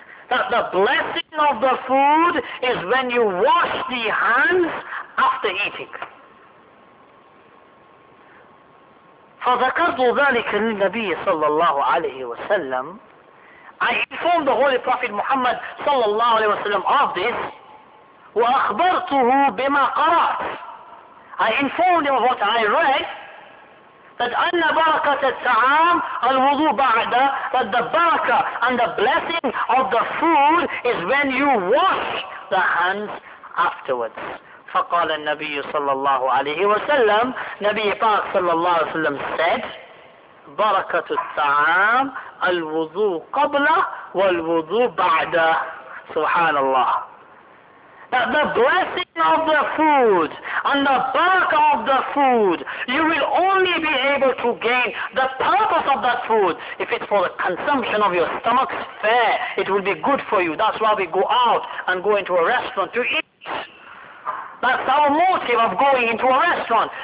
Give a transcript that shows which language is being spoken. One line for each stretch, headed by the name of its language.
English: That the blessing of the food is when you wash the hands after eating.
Arabic: فَذَكَرْتُ ذَلِكَ لِلنَّبِيِّ صَلَّى اللَّهُ عَلَيْهِ وَسَلَّمُ.
English: I informed the Holy Prophet Muhammad صلى الله عليه وسلم of this.
Arabic: وَأَخْبَرْتُهُ بِمَا قَرَأْتُ.
English: I informed him of what I read. That
Arabic: anna barakat al-ta'am al-wudu ba'da,
English: that the barakah and the blessing of the food is when you wash the hands afterwards.
Arabic: فقال النبي صلى الله عليه وسلم, نبي فاق صلى الله عليه وسلم said, باركة الطعام الوضوء قبل والوضوء بعد. سبحان الله.
English: That the blessing of the food and the barakah of the food, you will only be able to gain the purpose of that food if it's for the consumption of your stomach's fare. It will be good for you. That's why we go out and go into a restaurant to eat. That's our motive of going into a restaurant.